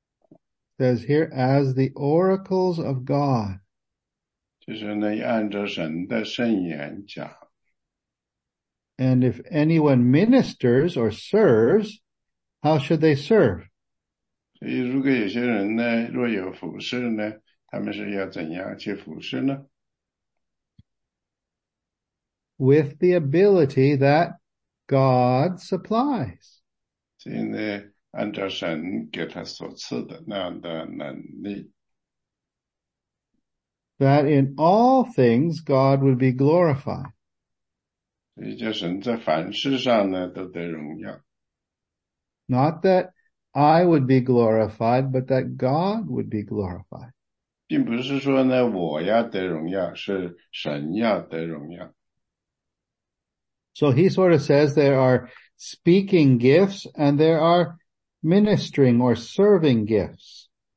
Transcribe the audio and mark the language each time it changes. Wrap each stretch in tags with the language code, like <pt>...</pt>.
<en>It says here, as the oracles of God.</en> <zh>就是呢,按照神的圣言讲。</zh> <en>And if anyone ministers or serves, how should they serve?</en> <zh>所以如果有些人呢,若有服侍呢,他们是要怎样去服侍呢?</zh> <en>With the ability that God supplies.</en> <zh>今天安德神给他所赐的那样的能力,</zh> <en>that in all things God would be glorified.</en> <zh>也就是在凡事上呢都得荣耀,</zh> <en>not that I would be glorified, but that God would be glorified.</en> <zh>并不是说呢我要得荣耀,是神要得荣耀。</zh> <en>So he sort of says there are speaking gifts and there are ministering or serving gifts.</en>